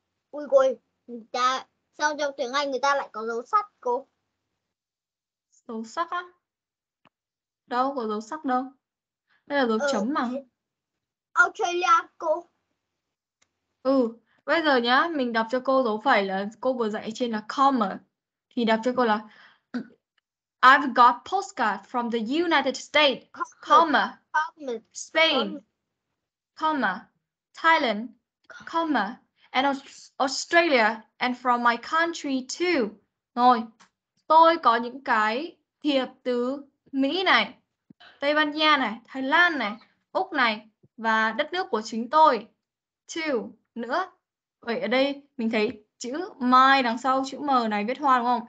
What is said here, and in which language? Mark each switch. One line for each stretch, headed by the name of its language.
Vietnamese: Ui ui, người ta sao trong tiếng Anh người ta lại có dấu sắt cô? Dấu sắt á? Đâu có dấu sắt đâu. Đây là dấu chấm mà. Australia cô. Ừ, bây giờ nhá, mình đọc cho cô dấu phẩy là cô vừa dạy trên là comma. Thì đọc cho cô là
English: I've got postcard from the United States, comma, Spain, comma, Thailand, comma, and Australia, and from my country too.
Vietnamese: Rồi, tôi có những cái thiệp từ Mỹ này, Tây Ban Nha này, Thái Lan này, Úc này, và đất nước của chính tôi. Too, nữa. Vậy ở đây mình thấy chữ my đằng sau chữ m này viết hoa đúng không?